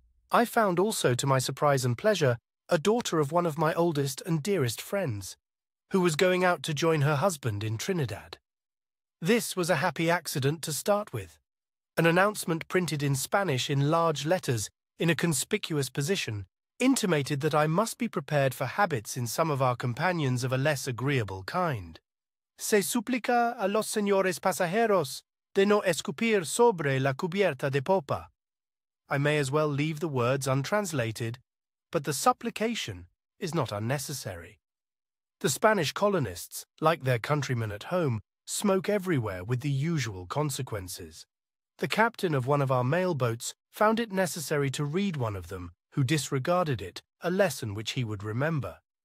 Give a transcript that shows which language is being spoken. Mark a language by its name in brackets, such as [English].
[English] I found also, to my surprise and pleasure, a daughter of one of my oldest and dearest friends, who was going out to join her husband in Trinidad. This was a happy accident to start with, an announcement printed in Spanish in large letters in a conspicuous position intimated that I must be prepared for habits in some of our companions of a less agreeable kind. [Spanish] Se suplica a los señores pasajeros de no escupir sobre la cubierta de popa. [English] I may as well leave the words untranslated, but the supplication is not unnecessary. The Spanish colonists, like their countrymen at home, smoke everywhere with the usual consequences. The captain of one of our mail boats found it necessary to read one of them, who disregarded it, a lesson which he would remember.